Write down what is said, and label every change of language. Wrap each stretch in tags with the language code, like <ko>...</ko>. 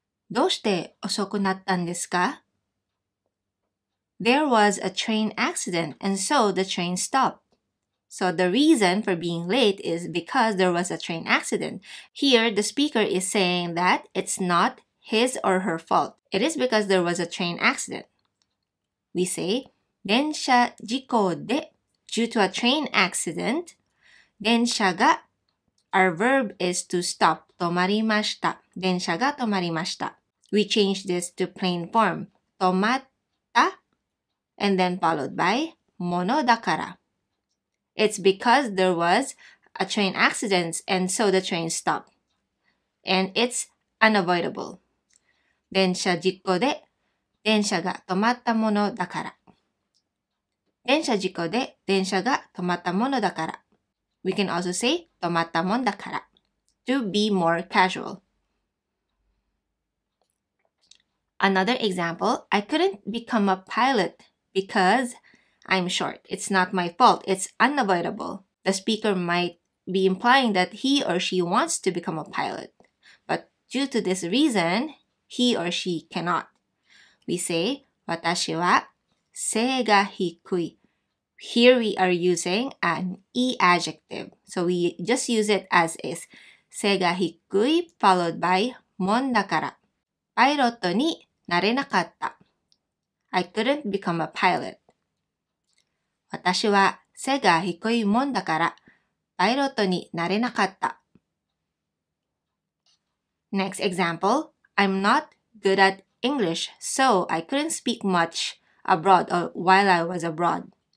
<ja>どうして遅くなったんですか?</ja> <en>There was a train accident and so the train stopped. So the reason for being late is because there was a train accident. Here, the speaker is saying that it's not his or her fault. It is because there was a train accident. We say,</en> <ja>電車事故で</ja> <en>due to a train accident,</en> <ja>電車が</ja> <en>our verb is to stop,</en> <ja>止まりました。電車が止まりました。</ja> <en>We change this to plain form,</en> <ja>止まった</ja> <en>and then followed by</en> <ja>ものだから。</ja> <en>It's because there was a train accident and so the train stopped. And it's unavoidable.</en> <ja>電車事故で電車が止まったものだから。電車事故で電車が止まったものだから。</ja> <en>We can also say</en> <ja>止まったもんだから</ja> <en>to be more casual. Another example, I couldn't become a pilot becauseI'm short. It's not my fault. It's unavoidable. The speaker might be implying that he or she wants to become a pilot. But due to this reason, he or she cannot. We say,</en> <ja>私は背が低い。</ja> <en>Here we are using an e adjective. So we just use it as is.</en> <ja>背が低い</ja> <en>followed by</en> <ja>もんだから。パイロットになれなかった。</ja> <en>I couldn't become a pilot.</en> <ja>私は背が低いもんだから、パイロットになれなかった。</ja> <en>Next example, I'm not good at English, so I couldn't speak much abroad or while I was abroad.</en>